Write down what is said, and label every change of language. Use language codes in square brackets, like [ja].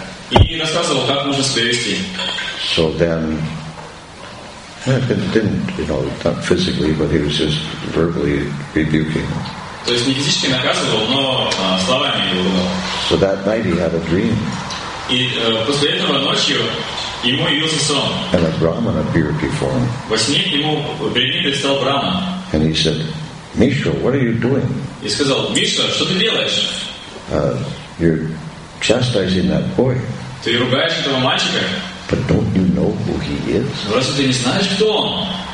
[ru] И рассказывал, как нужно себя вести. [en] So then, not physically, but he was just verbally rebuking. [ru] То есть не физически наказывал, но словами его ругал. [en] So that night he had a dream. [ru] И после этого ночью ему явился сон. [en] And a Brahman appeared before him. [ru] Во сне ему перед ним предстал Брахман. [en] And he said, Mishra, what are you doing? [ru] И сказал, Мишра, что ты делаешь? [en] You're chastising that boy. [ru] Ты ругаешь этого мальчика? [en] But don't you know who he is? [ru] Разве ты не знаешь, кто он?